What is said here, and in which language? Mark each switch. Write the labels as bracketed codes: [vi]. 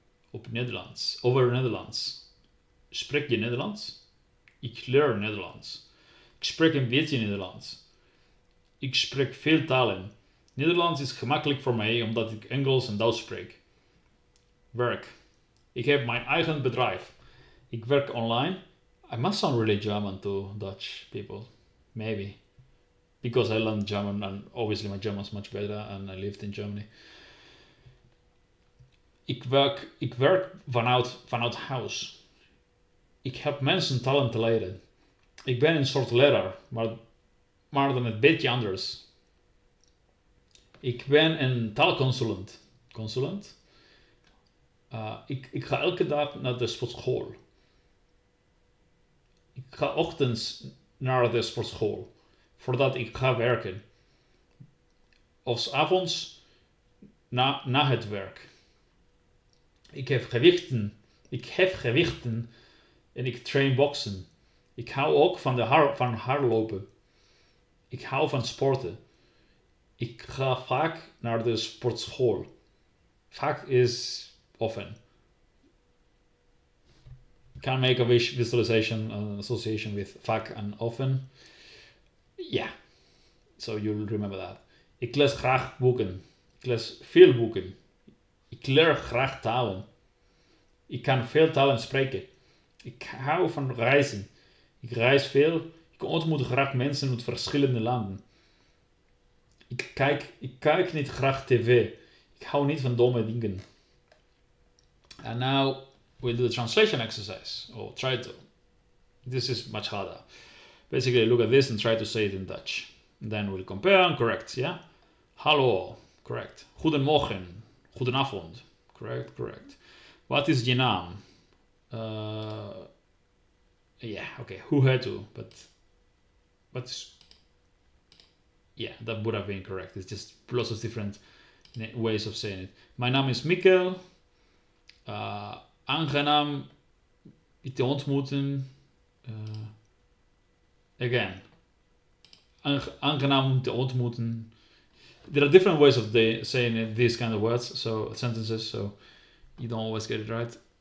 [nl] Op Nederlands. Over Nederlands. Spreek je Nederlands? Ik leer Nederlands. Ik spreek een beetje Nederlands. Ik spreek veel talen. Nederlands is gemakkelijk voor mij omdat ik Engels en Duits spreek. Werk. Ik heb mijn eigen bedrijf. Ik werk online. [en] I must sound really German to Dutch people, maybe, because I learned German and obviously my German is much better and I lived in Germany. [nl] Ik werk vanuit huis. Ik heb mensen talent leren. Ik ben een soort leraar, maar dan een beetje anders. Ik ben een taalconsulent. Consulent? Ik ga elke dag naar de sportschool. Ik ga ochtends naar de sportschool, voordat ik ga werken. Of 's avonds na het werk. Ik heb gewichten en ik train boksen. Ik hou ook van hardlopen. Ik hou van sporten. Ik ga vaak naar de sportschool. [en] Vaak is often. Can make a visualization and association with vaak and often. Yeah. So you'll remember that. [nl] Ik lees graag boeken. Ik lees veel boeken. Ik leer graag talen. Ik kan veel talen spreken. Ik hou van reizen. Ik reis veel. Ik ontmoet graag mensen uit verschillende landen. Ik kijk niet graag tv. Ik hou niet van domme dingen. [en] And now we'll do the translation exercise, or try to. This is much harder. Basically, look at this and try to say it in Dutch. Then we'll compare and correct, yeah? Hallo, correct. [nl] Goedemorgen, goedenavond. Correct. Wat is je naam? Yeah, okay, hoe heet u? [en] But what is, yeah, that would have been correct. It's just lots of different ways of saying it. My name is Mikkel. [nl] Aangenaam te ontmoeten. Again. Aangenaam te ontmoeten. [en] There are different ways of saying it, these kind of words, so sentences, so you don't always get it right.